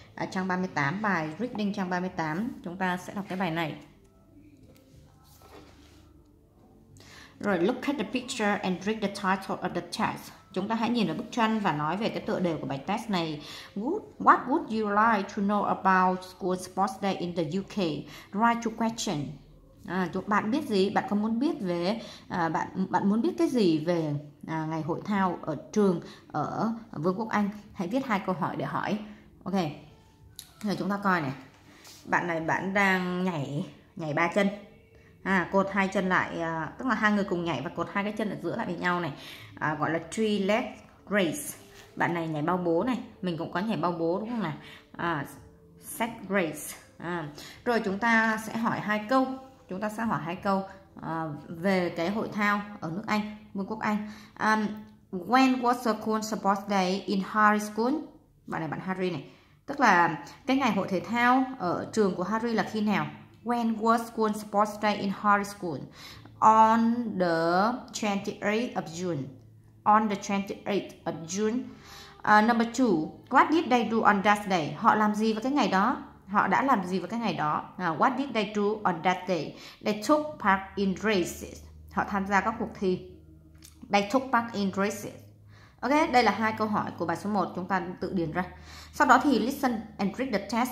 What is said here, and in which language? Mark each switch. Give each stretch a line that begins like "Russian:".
Vietnamese: Trang 38, bài Reading trang 38, chúng ta sẽ đọc cái bài này.
English: Rồi, look at the picture and read the title of the test.
Vietnamese: Chúng ta hãy nhìn vào bức tranh và nói về cái tựa đề của bài test này.
English: What would you like to know about school sports day in the UK? Write two questions.
Vietnamese: Bạn biết gì? Bạn có muốn biết về bạn muốn biết cái gì về ngày hội thao ở trường ở Vương quốc Anh? Hãy viết hai câu hỏi để hỏi. Ok. Rồi chúng ta coi này. Bạn đang nhảy ba chân. Cột hai chân lại, tức là hai người cùng nhảy và cột hai cái chân ở giữa lại với nhau này. Gọi là three leg race. Bạn này nhảy bao bố này, mình cũng có nhảy bao bố đúng không nào? Set race. Rồi chúng ta sẽ hỏi hai câu. Chúng ta sẽ hỏi hai câu về cái hội thao ở nước Anh, Vương quốc Anh.
English: When was the school sports day in Harry's school?
Vietnamese: Bạn này bạn Harry này. Tức là cái ngày hội thể thao ở trường của Harry là khi nào?
English: When was school sports day in Harry's school? On the 28th of June. On the 28th of June. Number two, what did they do on that day?
Vietnamese: Họ làm gì vào cái ngày đó? Họ đã làm gì vào cái ngày đó?
English: What did they do on that day? They took part in races.
Vietnamese: Họ tham gia các cuộc thi.
English: They took part in races.
Vietnamese: Ok, đây là hai câu hỏi của bài số 1. Chúng ta tự điền ra. Sau đó thì
English: listen and read the test.